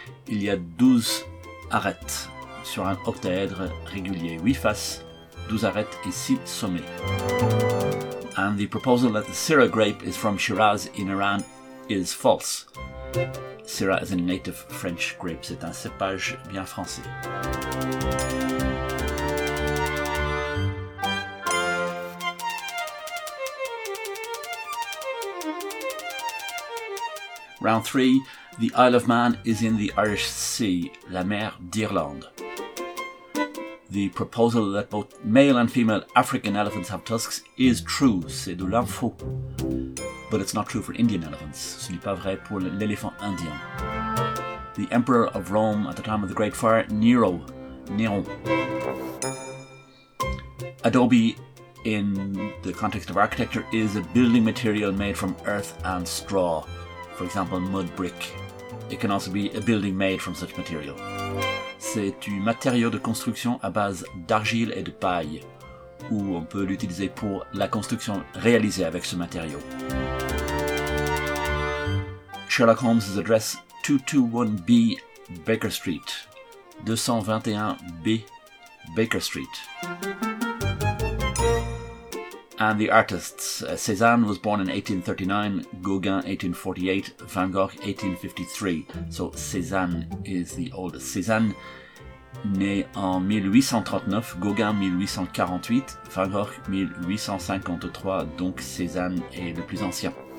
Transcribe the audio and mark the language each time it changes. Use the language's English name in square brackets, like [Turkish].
[French] Il y a 12 arêtes sur un octaèdre régulier. 8 faces, 12 arêtes, et 6 sommets. [English] And the proposal that the Syrah grape is from Shiraz in Iran is false. Syrah is a native French grape. [French] C'est un cépage bien français. [English] Round 3, the Isle of Man is in the Irish Sea, [French] la mer d'Irlande. [English] The proposal that both male and female African elephants have tusks is true, [French] c'est de l'info. [English] But it's not true for Indian elephants, [French] ce n'est pas vrai pour l'éléphant indien. [English] The Emperor of Rome at the time of the Great Fire, Nero. Adobe, in the context of architecture, is a building material made from earth and straw. For example, mud brick. It can also be a building made from such material. [French] C'est un matériau de construction à base d'argile et de paille, ou on peut l'utiliser pour la construction réalisée avec ce matériau. [English] Sherlock Holmes' address, 221B Baker Street. 221B Baker Street. And the artists, Cézanne was born in 1839, Gauguin 1848, Van Gogh 1853. So Cézanne is the oldest. [French] Cézanne, né en 1839, Gauguin 1848, Van Gogh 1853, donc Cézanne est le plus ancien.